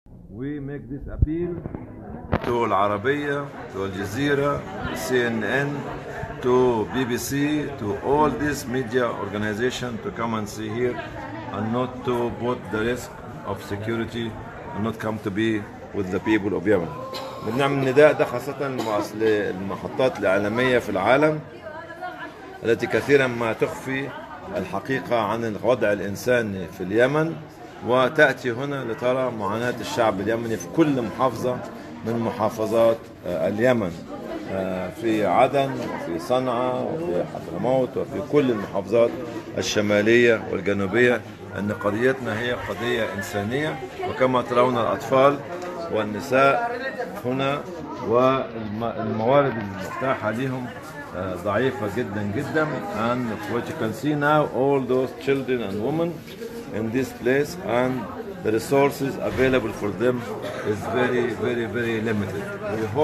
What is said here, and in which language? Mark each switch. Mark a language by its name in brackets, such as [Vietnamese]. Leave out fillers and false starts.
[English] We make this appeal to العربية, to الجزيرة, CNN. To BBC, to all these media organizations to come and see here and not to put the risk of security and not come to be with the people of Yemen. [Arabic] بنعمل نداء ده خاصة للمحطات الإعلامية في العالم التي كثيرا ما تخفي الحقيقة عن الوضع الإنساني في اليمن وتأتي هنا لترى معاناة الشعب اليمني في كل محافظة من محافظات اليمن. في عدن وفي صنعاء وفي حضرموت وفي كل المحافظات الشمالية والجنوبية أن قضيتنا هي قضية إنسانية وكما ترون الأطفال والنساء هنا والموارد المتاحة لهم ضعيفة جدا جدا. [English] And what you can see now all those children and women in this place and the resources available for them is very very very limited.